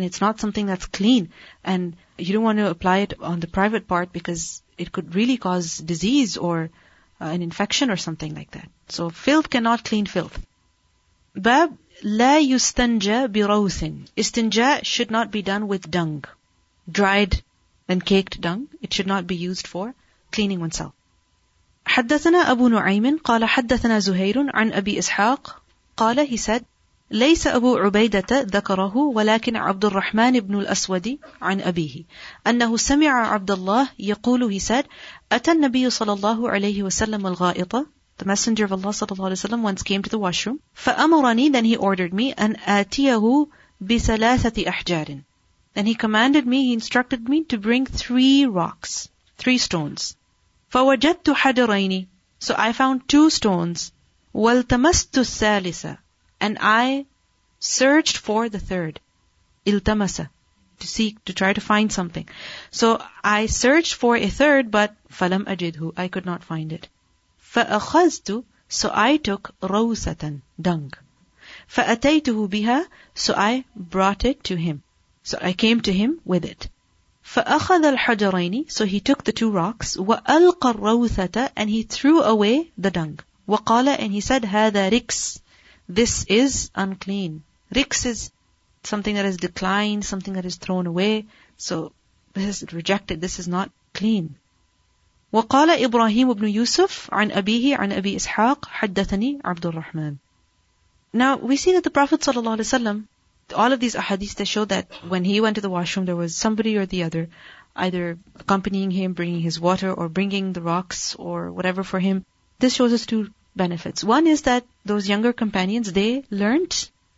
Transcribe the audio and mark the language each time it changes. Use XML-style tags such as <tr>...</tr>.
<en>And it's not something that's clean. And you don't want to apply it on the private part because it could really cause disease or an infection or something like that. So filth cannot clean filth. Bab,</en> <ar>لا يستنجى بروث.</ar> <en>استنجى should not be done with dung. Dried and caked dung. It should not be used for cleaning oneself.</en> <ar>حدثنا أبو نعيم قال حدثنا زهير عن أبي إسحاق قال</ar> <en>he said</en> <ar>ليس أبو عبيدة ذكره ولكن عبد الرحمن بن الأسود عن أبيه أنه سمع عبد الله يقول he said أتى النبي صلى الله عليه وسلم الغائطة</ar> <en>the messenger of Allah صلى الله عليه وسلم once came to the washroom</en> <ar>فأمرني</ar> <en>then he ordered me</en> <ar>أن آتيه بثلاثة أحجار</ar> <en>then he commanded me he instructed me to bring three rocks three stones</en> <ar>فوجدت حجرين</ar> <en>so I found two stones</en> <ar>والتمست الثالثة</ar> <en>And I searched for the third. Iltamasa. To seek, to try to find something. So I searched for a third, but</en> <ar>falam ajidhu.</ar> <en>I could not find it.</en> <ar>فأخذتُ.</ar> <en>So I took rawsatan, dung.</en> <ar>فأتيتُهُ biha.</ar> <en>So I brought it to him. So I came to him with it.</en> <ar>فأخذَ الحجرينِ.</ar> <en>So he took the two rocks.</en> <ar>وألقَ الرَّوْثَةَ.</ar> <en>And he threw away the dung.</en> <ar>وقالَ.</ar> <en>And he said,</en> <ar>هَذَا</ar> <en>riks. This is unclean. Riks is something that has declined, something that is thrown away. So this is rejected. This is not clean.</en> <ar>وقال إبراهيم بن يوسف عن أبيه عن أبي إسحاق حدثني عبد الرحمن.</ar> <en>Now we see that the Prophet sallallahu alaihi wasallam, all of these ahadith they show that when he went to the washroom, there was somebody or the other, either accompanying him, bringing his water or bringing the rocks or whatever for him. This shows us two benefits. One is that those younger companions, they learnt</en>